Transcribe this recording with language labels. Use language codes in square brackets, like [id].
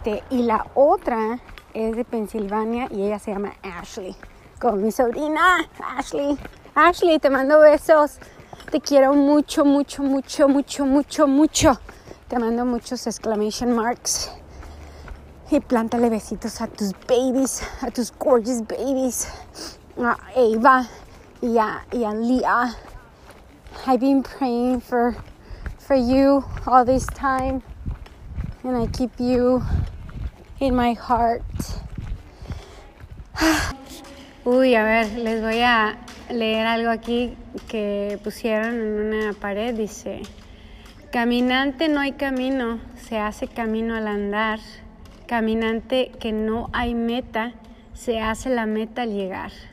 [es] Y la otra es de Pensilvania y ella se llama Ashley, como mi sobrina, Ashley, te mando besos, te quiero mucho, mucho, mucho, mucho, mucho, mucho, te mando muchos [en] exclamation marks, [es] y plántale besitos a tus [en] babies, [es] a tus [en] gorgeous babies, [es] a Ava y a Leah. [en] I've been praying for you all this time. And I keep you in my heart. [es] Uy, a ver, les voy a leer algo aquí que pusieron en una pared. Dice, caminante no hay camino, se hace camino al andar. Caminante que no hay meta, se hace la meta al llegar.